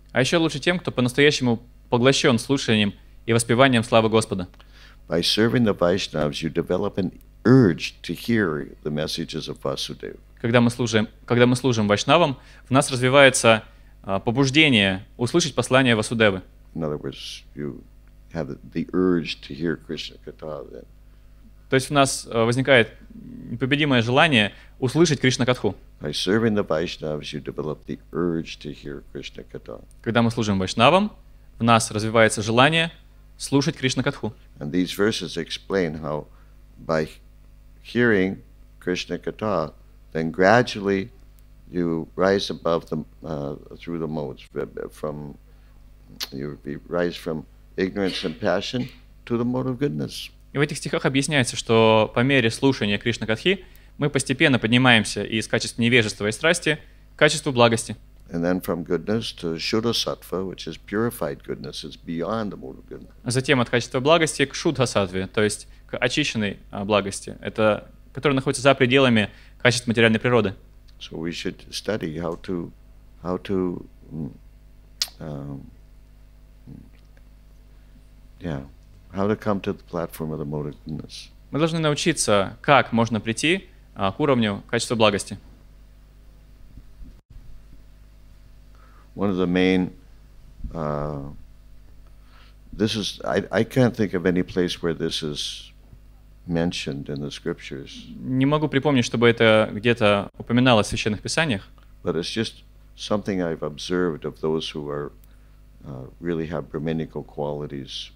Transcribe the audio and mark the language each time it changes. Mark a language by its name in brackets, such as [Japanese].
[Russian] А еще лучше тем, кто по-настоящему поглощен слушанием и воспеванием славы Господа. [English] By serving the Vaishnavas, you develop an urge to hear the messages of Vasudeva. [Russian] Когда мы служим Вайшнавам, в нас развивается побуждение услышать послание Васудевы. [English] In other words, you have the urge to hear Krishna Katha then. [Russian] То есть в нас возникает непобедимое желание услышать Кришна Катху. [English] By serving the Vaishnavas, you develop the urge to hear Krishna Katha. [Russian] Когда мы служим Вайшнавам, в нас развивается желание слушать Кришна Катху. [English] And these verses explain how by hearing Krishna Katha, then gradually you rise above the through the modes from you rise from ignorance and passion to the mode of goodness. [Russian] И в этих стихах объясняется, что по мере слушания Кришна Катхи мы постепенно поднимаемся из качества невежества и страсти к качеству благости. [English] And then from goodness to Shuddha Sattva, which is purified goodness, is beyond the mode of goodness. [Russian] Затем от качества благости к Шуддха Саттве, то есть к очищенной благости, это которая находится за пределами качества материальной природы. [English] So we should study how to how to come to the platform of the mode of goodness. [Russian] Мы должны научиться, как можно прийти к уровню качества благости. [English] One of the main this is I can't think of any place where this is mentioned in the scriptures. [Russian] Не могу припомнить, чтобы это где-то упоминалось в священных писаниях. [English] But it's just something I've observed of those who are really have brahminical qualities.